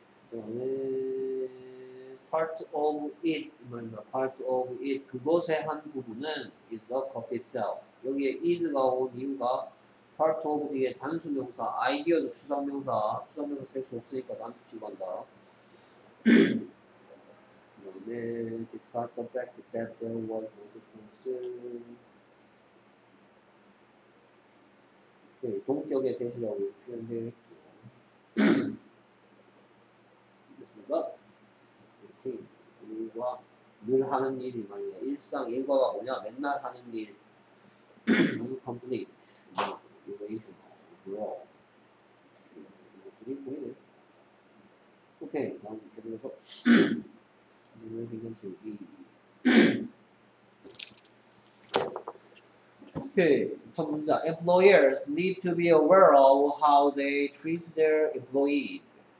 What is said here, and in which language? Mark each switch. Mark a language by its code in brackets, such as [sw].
[ko] 그다음에 part of it 뭐냐? [en] Part of it [ko] 그것의 한 부분은 [en] is the coffee itself. [ko] 여기에 is가 온 이유가 part of 뒤에 단수 명사, 아이디어도 추상 명사, 추상 명사 셀 수 없으니까 단수 추가한다. [en] 그 다음에 despite the fact that there was no difference. [ko] 네, 동격의 대시라고 표현되어 있습니다. 이렇게 일과 늘 하는 일이 말이야. 일상 일과가 뭐냐? 맨날 하는 일. complete, irrational, wrong. 이것들이 보이네. 오케이, 다음 계속해서 이걸 해결 중이. 오케이, 첫 문자. [en] Employers need to be aware of how they treat their employees.